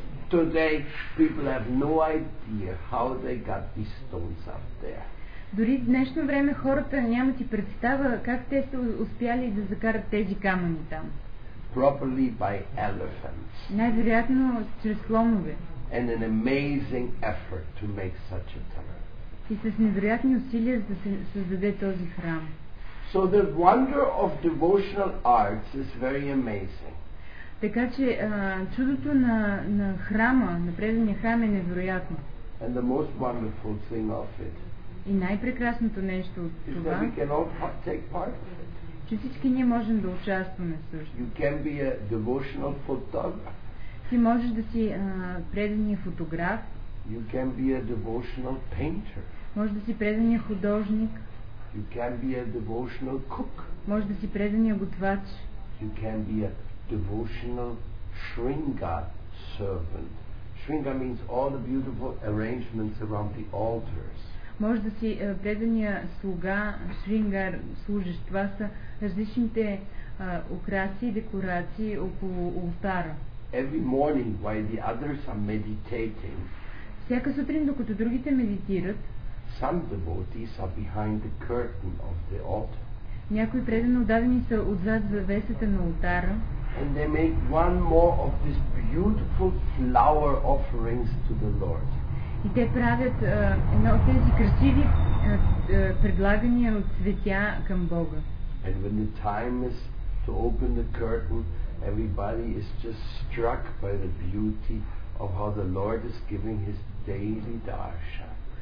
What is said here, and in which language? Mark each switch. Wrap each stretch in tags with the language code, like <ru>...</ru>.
<en>Today people have no idea how they got these stones up there.</en> <bg>Дори в днешно време хората нямат и представа как те са успяли да закарат тези камъни там.</bg> <en>Probably by elephants.</en> <bg>Най-вероятно чрез слонове.</bg> <en>And an amazing effort to make such a tunnel.</en> <bg>И с невероятни усилия да се създаде този храм.</bg> <en>So the wonder of devotional arts is very amazing.</en> <bg>Така че чудото на храма, на предния храм е невероятно.</bg> <en>And the most wonderful thing of it.</en> <bg>И най-прекрасното нещо от</bg> <en>is</en> <bg>това,</bg> <en>that we can all take part of it.</en> <bg>Че всички ние можем да участваме също.</bg> <en>You can be a devotional photographer.</en> <bg>Ти можеш да си предния фотограф.</bg> <en>You can be a devotional painter.</en> <bg>Може да си предния художник.</bg> <en>You can be a devotional cook.</en> <bg>Може да си предния готвач.</bg> <en>You can be a devotional Shringa servant. Shringa means all the beautiful arrangements around the altars.</en> <bg>Може да си предания слуга, Шрингар, служещ. Това са различните украси и декорации около алтара.</bg> <en>Every morning while the others are meditating,</en> <bg>всяка сутрин, докато другите медитират,</bg> <en>some devotees are behind the curtain of the altar.</en> <bg>Някои предано отдадени са отзад завесата на алтара.</bg> <en>And they make one more of these beautiful flower offerings to the Lord.</en> <bg>И те правят едно от тези красиви предлагания от цветя към Бога.</bg> <en>And when the time is to open the curtain, everybody is just struck by the beauty of how the Lord is giving his daily darshan.</en>